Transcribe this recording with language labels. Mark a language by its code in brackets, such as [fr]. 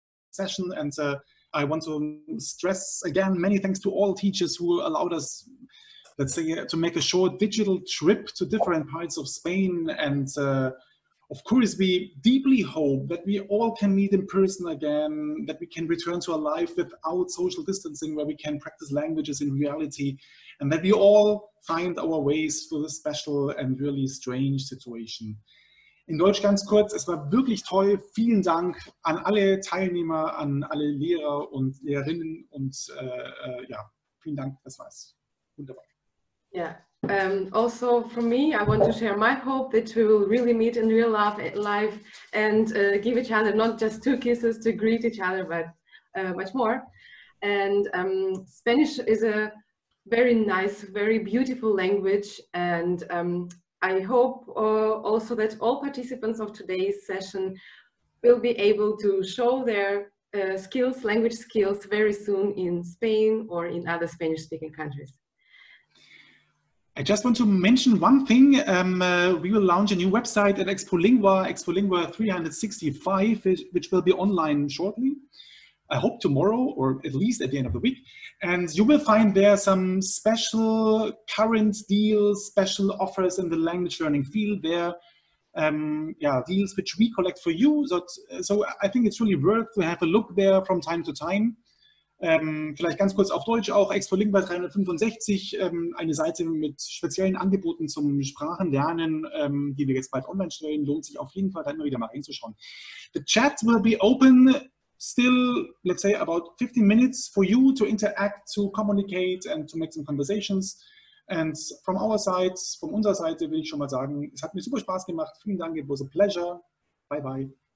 [en] session, and I want to stress again many thanks to all teachers who allowed us, let's say, to make a short digital trip to different parts of Spain, and of course we deeply hope that we all can meet in person again, that we can return to a life without social distancing, where we can practice languages in reality, and that we all find our ways through this special and really strange situation. [de] In Deutsch ganz kurz, es war wirklich toll. Vielen Dank an alle Teilnehmer, an alle Lehrer und Lehrerinnen und vielen Dank, das war's. Wunderbar. [en] Yeah, also from me, I want to share my hope that we will really meet in real life and give each other not just two kisses to greet each other, but much more. And Spanish is a very nice, very beautiful language, and I hope also that all participants of today's session will be able to show their skills, language skills, very soon in Spain or in other Spanish-speaking countries. I just want to mention one thing. We will launch a new website at Expolingua, Expolingua 365, which will be online shortly. I hope tomorrow, or at least at the end of the week. And you will find there some special current deals, special offers in the language learning field there. Deals which we collect for you. So I think it's really worth to have a look there from time to time. [de] Vielleicht ganz kurz auf Deutsch auch, Expolingua 365, eine Seite mit speziellen Angeboten zum Sprachenlernen, die wir jetzt bald online stellen, lohnt sich auf jeden Fall, da immer wieder mal reinzuschauen. [en] The chat will be open still, let's say, about 15 minutes for you to interact, to communicate and to make some conversations. And from our side, from [de] unserer Seite, will ich schon mal sagen, es hat mir super Spaß gemacht. Vielen Dank, [en] it was a pleasure. Bye bye.